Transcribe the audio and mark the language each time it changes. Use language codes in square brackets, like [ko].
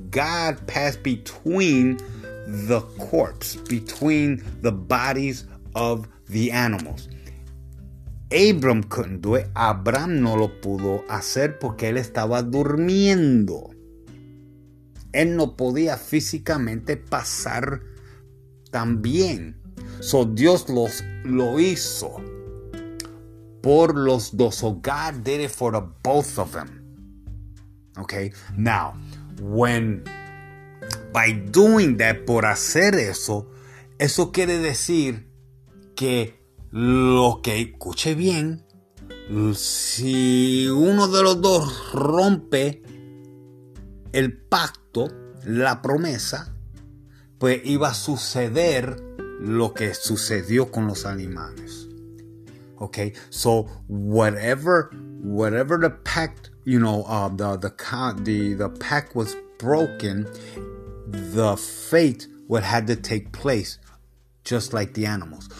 [en] God passed between the corpse, between the bodies of the animals. Abram couldn't do it. [es] Abraham no lo pudo hacer porque él estaba durmiendo. Él no podía físicamente pasar tan bien. So Dios lo hizo por los dos. [en] So God did it for the both of them. [es] Okay, [en] now, by doing that, [es] por hacer eso, eso quiere decir que lo que, escuche bien, si uno de los dos rompe el pacto, la promesa, pues iba a suceder lo que sucedió con los animales. [en] Okay, so whatever the pact, you know, the pact was broken, the fate would have to take place just like the animals.